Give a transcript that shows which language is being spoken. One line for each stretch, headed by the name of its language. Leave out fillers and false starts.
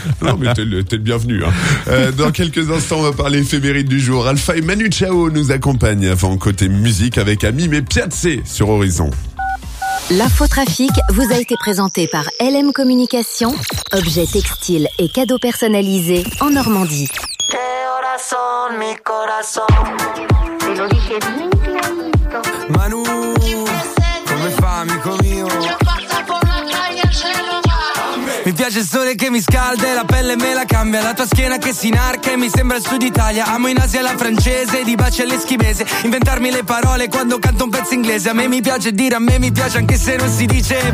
French: Non, mais t'es le bienvenu. Hein. Dans quelques instants, on va parler éphémérides du jour. Alpha et Manu Chao nous accompagnent avant côté musique avec Ami, mais Piazzé sur Horizon. L'infotrafic vous a été présenté par LM Communication, objets textiles et cadeaux personnalisés en Normandie.
Spanish: Mi corazón, me lo dije bien clarito.
Italian: Manu, mi piace il sole che mi scalda e la pelle me la cambia. La tua schiena che si inarca e mi sembra il sud Italia. Amo in Asia la francese, di baci all'eschimese. Inventarmi le parole quando canto un pezzo inglese. A me mi piace dire, a me mi piace anche se non si dice.